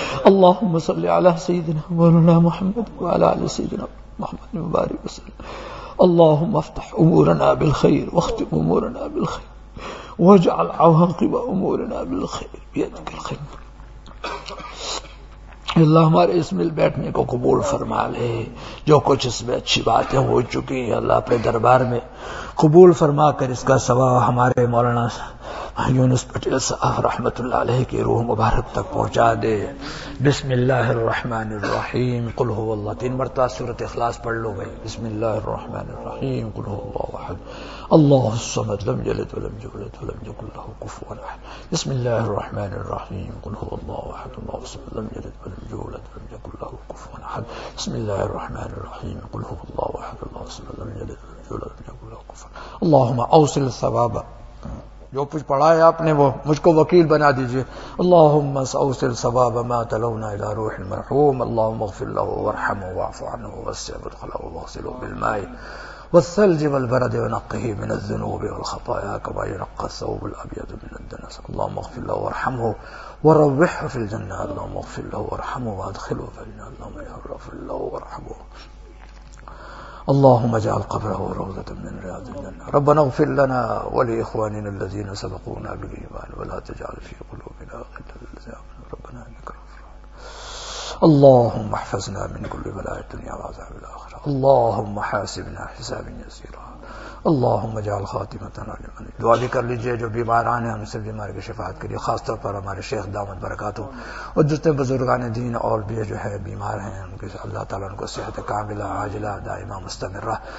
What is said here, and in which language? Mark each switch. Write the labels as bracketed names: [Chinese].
[Arabic] اللهم صل على سيدنا مولانا محمد وعلى آل سيدنا محمد المبارك وسلم. اللهم افتح أمورنا بالخير واختم أمورنا بالخير واجعل عواقب أمورنا بالخير بيدك الخير. [Urdu] اللہ ہمارے اس میں بیٹھنے کو قبول فرما لے, جو کچھ اس میں اچھی باتیں ہو چکی ہیں اللہ اپنے دربار میں قبول فرما کر اس کا ثواب ہمارے مولانا یونس پٹیل صاحب رحمت اللہ علیہ کی روح مبارک تک پہنچا دے. [Arabic] بسم اللہ الرحمن الرحیم, قل ہو اللہ, [Urdu] تین مرتبہ سورۃ اخلاص پڑھ لو بھائی. [Arabic] بسم اللہ الرحمن الرحیم, قل ہو اللہ احد, اللہ الصمد لم یلد ولم یولد ولم یکن له کفوا احد. بسم اللہ الرحمن الرحیم, قل ہو اللہ احد, اللہ الصمد لم یلد ولم یولد ولم یکن له کفوا احد. بسم اللہ الرحمن الرحیم, قل ہو اللہ احد, اللہ الصمد لم یلد ولم یولد ولم یکن له کفوا. اللہم اوصل الثواب, [Urdu] جو کچھ پڑھا ہے آپ نے وہ مجھ کو وکیل بنا دیجئے. [Arabic] اللهم اوصل ثواب ما تلونا الى روح المرحوم, اللهم اغفر له وارحمه واعف عنه ووسع مدخله واغسله بالماء والثلج والبرد ونقه من الذنوب والخطايا كما ينقى الثوب الابيض من الدنس. اللهم اغفر له وارحمه وروحه في الجنه, اللهم اغفر له وارحمه وادخله في الجنه, اللهم اغفر له وارحمه, اللهم اجعل قبره روضة من رياض الجنة. ربنا اغفر لنا ولإخواننا الذين سبقونا بالإيمان ولا تجعل في قلوبنا غلا للذين آمنوا ربنا إنك رؤوف رحيم. اللهم احفظنا من كل بلاء الدنيا وعذاب الآخرة, اللهم حاسبنا حسابا يسيرا, اللهم اجعل خاتمتنا [Urdu] لمن دعا بھی کر لیجئے جو بیمار آنے ہم سب بیمار کی شفاعت کے لیے, خاص طور پر ہمارے شیخ دامت برکاتہ اور جتنے بزرگان دین اور بھی جو ہے بیمار ہیں, ان کے اللہ تعالیٰ ان کو صحت کاملہ عاجلہ دائمہ مستمرہ